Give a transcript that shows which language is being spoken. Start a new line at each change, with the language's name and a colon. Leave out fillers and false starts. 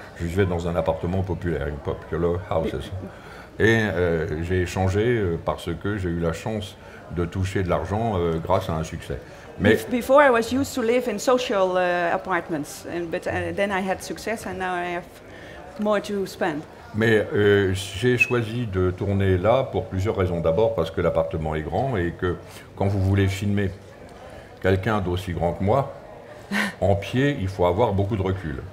French: Je vivais dans un appartement populaire, une
English: popular houses.
French: Et j'ai changé parce que j'ai eu la chance de toucher de l'argent grâce à un succès. Mais
English: before, I was used to live in social apartments, but then I had success and now I have more to spend.
French: Mais j'ai choisi de tourner là pour plusieurs raisons. D'abord parce que l'appartement est grand et que quand vous voulez filmer quelqu'un d'aussi grand que moi, en pied, il faut avoir beaucoup de recul.